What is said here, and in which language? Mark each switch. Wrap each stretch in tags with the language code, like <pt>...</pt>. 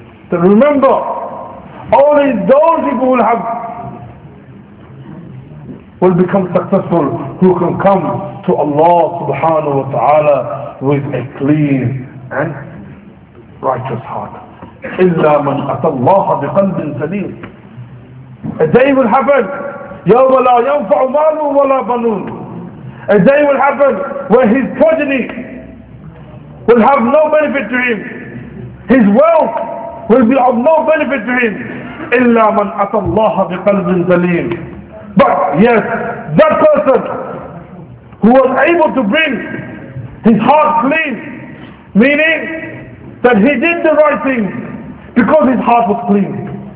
<en>So remember, only those people will become successful who can come to Allah subhanahu wa ta'ala with a clean and righteous heart.</en> <ar>إِلَّا مَنْ أَتَى اللَّهَ بِقَلْبٍ سَلِيمٍ.</ar> <en>A day will happen,</en> <ar>يَوْمَ لَا يَنْفَعُ مَالٌ وَلَا بَنُونَ.</ar> <en>A day will happen where his progeny will have no benefit to him. His wealth will be of no benefit to him.</en> <ar>إِلَّا مَنْ أَتَى اللَّهَ بِقَلْبٍ سَلِيمٍ.</ar> <en>But yes, that person who was able to bring his heart clean, meaning that he did the right thing because his heart was clean.</en>